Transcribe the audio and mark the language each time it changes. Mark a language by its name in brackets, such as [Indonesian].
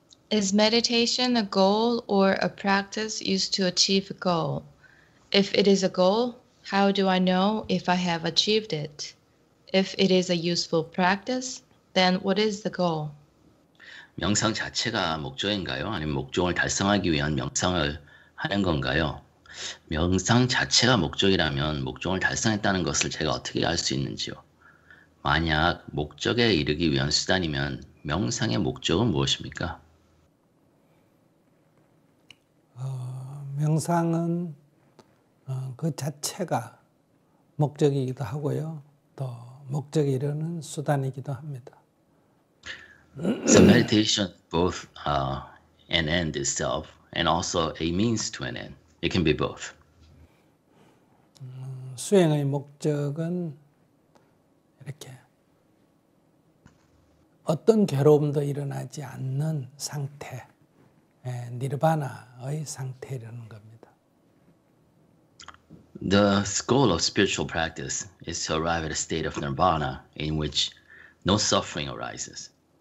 [English] Is meditation a goal or a practice used to achieve a goal? If it is a goal, how do I know if I have achieved it? If it is a useful practice, then what is the goal? [Korean] 명상 자체가 목적인가요? 아니면 목적을 달성하기 위한 명상을 하는 건가요? 명상 자체가 목적이라면 목적을 달성했다는 것을 제가 어떻게 알 수 있는지요? 만약 목적에 이르기 위한 수단이면 명상의 목적은 무엇입니까? 명상은 그 자체가 목적이기도 하고요. 또 목적에 이르는 수단이기도 합니다. [English] So meditation both an end itself and also a means to an end. It can be both. [Korean] 수행의 목적은 이렇게 어떤 괴로움도 일어나지 않는 상태, 니르바나의 상태라는 겁니다. [English] The goal of spiritual practice is to arrive at a state of nirvana in which no suffering arises.